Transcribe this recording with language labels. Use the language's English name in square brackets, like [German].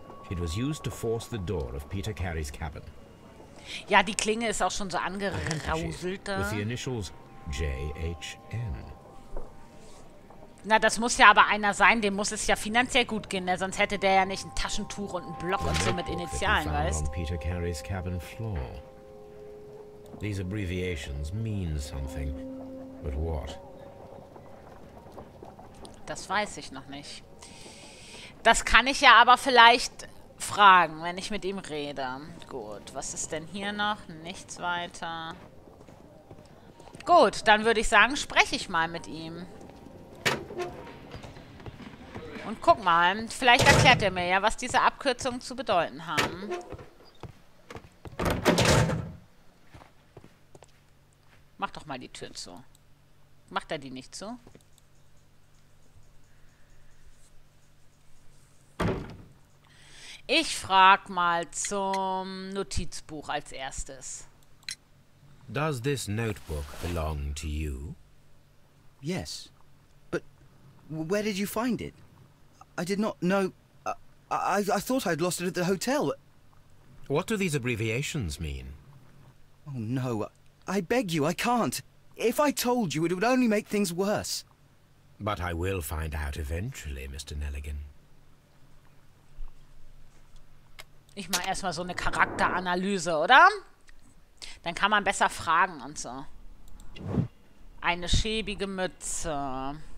[English] It was used to force the door of Peter Carey's cabin. [German] Ja, die Klinge ist auch schon so angerauselt. [English] With the initials J.H.N. [German] Na, das muss ja aber einer sein, dem muss es ja finanziell gut gehen, ne? Sonst hätte der ja nicht ein Taschentuch und einen Block und so mit Initialen, weißt? [English] Peter Carey's cabin floor. These abbreviations mean something. But what? [German] Das weiß ich noch nicht. Das kann ich ja aber vielleicht fragen, wenn ich mit ihm rede. Gut, was ist denn hier noch? Nichts weiter. Gut, dann würde ich sagen, spreche ich mal mit ihm. Und guck mal, vielleicht erklärt er mir ja, was diese Abkürzungen zu bedeuten haben. Mach doch mal die Tür zu. Macht er die nicht zu? Ich frag mal zum Notizbuch als erstes. [English] Does this notebook belong to you? Yes. Where did you find it? I did not know. I thought I'd lost it at the hotel. What do these abbreviations mean? Oh, no. I beg you, I can't. If I told you, it would only make things worse. But I will find out eventually, Mr. Nelligan. [German] Ich mach erstmal so eine Charakteranalyse, oder? Dann kann man besser fragen und so. Eine schäbige Mütze.